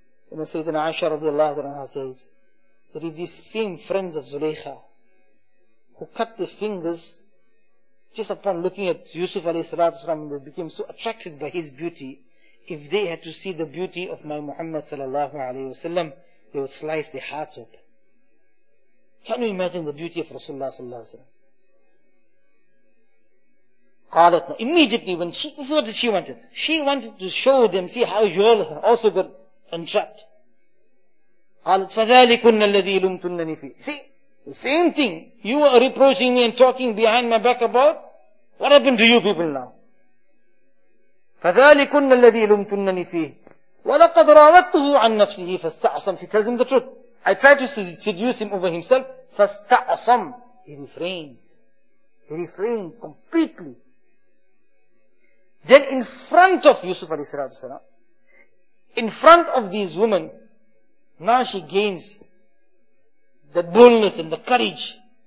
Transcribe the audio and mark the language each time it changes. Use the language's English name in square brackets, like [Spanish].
[English] And Sayyidina Aisha radiallahu anha says that if these same friends of Zulaykha who cut their fingers just upon looking at Yusuf alayhi salatu wasalam, they became so attracted by his beauty, if they had to see the beauty of my Muhammad sallallahu alayhi wasallam, they would slice their hearts open. Can you imagine the beauty of Rasulullah sallallahu alayhi wasallam? Qalatna. Immediately when she, this is what she wanted. She wanted to show them, see how you all also got entrapped. [Arabic] قالت فذلكن الذي لمتنني فيه. [English] See, the same thing. You were reproaching me and talking behind my back about. What happened to you people now? [Arabic] فذلكن الذي لمتنني فيه. ولقد راودته عن نفسه فاستعصم. [English] She tells him the truth. I tried to seduce him over himself. [Arabic] فاستعصم. [English] He refrained. He refrained completely. Then in front of Yusuf alayhi salatu wasalam, in front of these women, now she gains the boldness and the courage.